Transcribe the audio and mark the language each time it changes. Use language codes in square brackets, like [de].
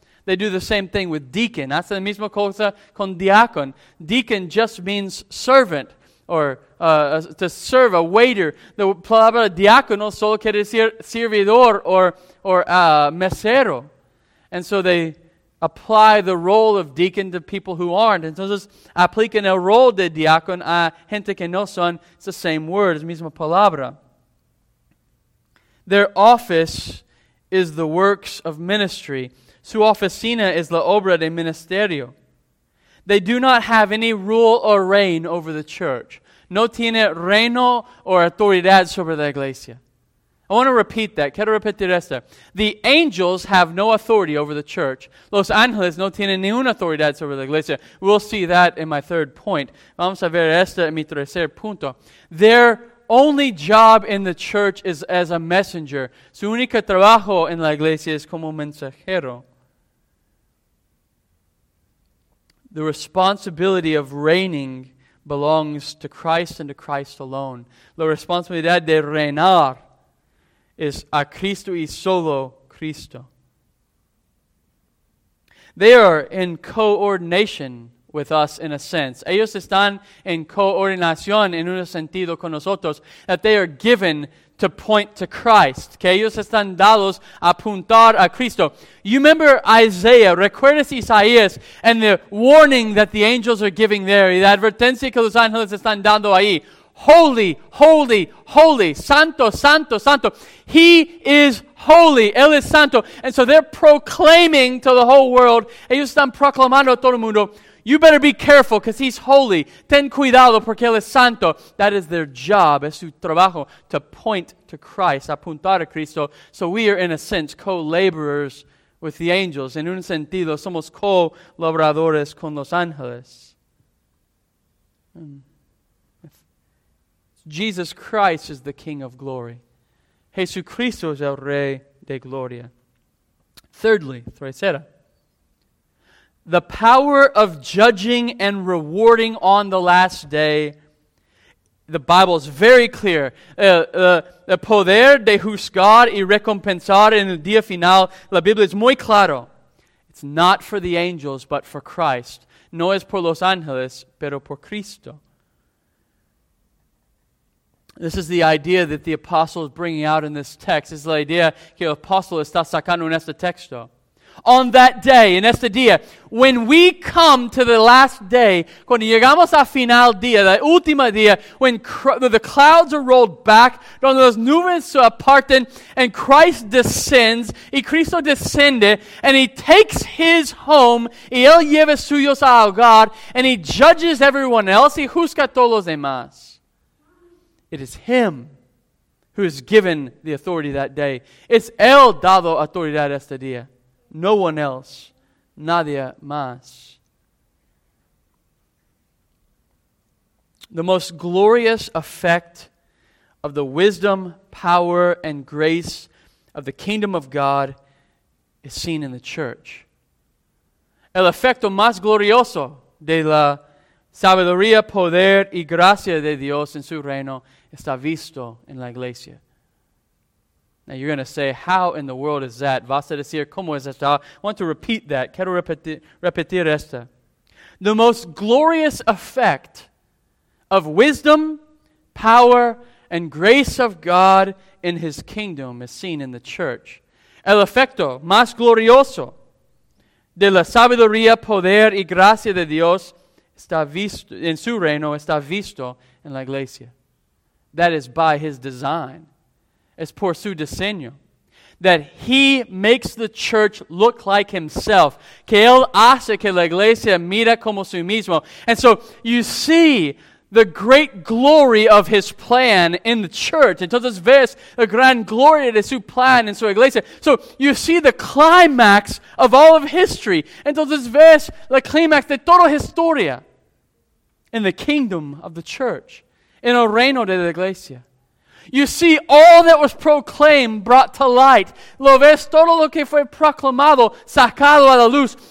[en] They do the same thing with deacon. [es] Hace la misma cosa con diácono. [en] Deacon just means servant. To serve, a waiter. [es] The palabra diácono solo quiere decir servidor or mesero. [en] And so they apply the role of deacon to people who aren't. [es] Entonces, aplican el rol de diácono a gente que no son. [en] It's the same word, [es] es la misma palabra. [en] Their office is the works of ministry. [es] Su oficina is la obra de ministerio. [en] They do not have any rule or reign over the church. [es] No tiene reino or autoridad sobre la iglesia. [en] I want to repeat that. [es] Quiero repetir esto. [en] The angels have no authority over the church. [es] Los ángeles no tienen ninguna autoridad sobre la iglesia. [en] We'll see that in my third point. [es] Vamos a ver esto en mi tercer punto. [en] Their only job in the church is as a messenger. [es] Su único trabajo en la iglesia es como mensajero. [en] The responsibility of reigning belongs to Christ and to Christ alone. [es] La responsabilidad de reinar es a Cristo y solo Cristo. [en] They are in coordination with us in a sense. [es] Ellos están en coordinación en un sentido con nosotros, [en] that they are given to point to Christ. [es] Que ellos están dados a apuntar a Cristo. [en] You remember Isaiah. [es] Recuerdas Isaías. [en] And the warning that the angels are giving there. [es] Y la advertencia que los ángeles están dando ahí. [en] Holy, holy, holy. [es] Santo, santo, santo. [en] He is holy. [es] Él es santo. [en] And so they're proclaiming to the whole world. [es] Ellos están proclamando a todo el mundo. [en] You better be careful because he's holy. [es] Ten cuidado porque él es santo. [en] That is their job. [es] Es su trabajo [en] to point to Christ, [es] apuntar a Cristo. [en] So we are, in a sense, co-laborers with the angels. [es] En un sentido, somos co-laboradores con los ángeles. [en] Jesus Christ is the King of glory. [es] Jesucristo es el Rey de gloria. [en] Thirdly, tercera. The power of judging and rewarding on the last day. The Bible is very clear. [es] El poder de juzgar y recompensar en el día final. La Biblia es muy claro. [en] It's not for the angels, but for Christ. [es] No es por los ángeles, pero por Cristo. [en] This is the idea that the apostle is bringing out in this text. This is [es] la idea que el apóstol está sacando en este texto. [en] On that day, [es] en este día, [en] when we come to the last day, [es] cuando llegamos al final día, la última día, [en] when the clouds are rolled back, [es] donde las nubes se apartan, [en] and Christ descends, [es] y Cristo desciende, [en] and he takes his home, [es] y él lleva suyos a hogar, [en] and he judges everyone else, [es] y juzga a todos los demás. [en] It is Him who is given the authority that day. [es] Es Él dado autoridad este día. No one else. Nadie más. [en] The most glorious effect of the wisdom, power, and grace of the kingdom of God is seen in the church. [es] El efecto más glorioso de la sabiduría, poder y gracia de Dios en su reino está visto en la iglesia. [en] Now you're going to say, how in the world is that? [es] Vas a decir, ¿cómo es esto? [en] I want to repeat that. [es] Quiero repetir esto. [en] The most glorious effect of wisdom, power, and grace of God in His kingdom is seen in the church. [es] El efecto más glorioso de la sabiduría, poder y gracia de Dios está visto en su reino, está visto en la iglesia. [en] That is by His design. [es] Es por su diseño. [en] That He makes the church look like Himself. [es] Que Él hace que la iglesia mira como su mismo. [en] And so you see the great glory of His plan in the church. [es] Entonces ves la gran gloria de su plan en su iglesia. [en] So you see the climax of all of history. [es] Entonces ves la climax de toda historia [en] in the kingdom of the church. [es] En el reino de la iglesia. [en] You see all that was proclaimed brought to light. [es] Lo ves todo lo que fue proclamado, sacado a la luz.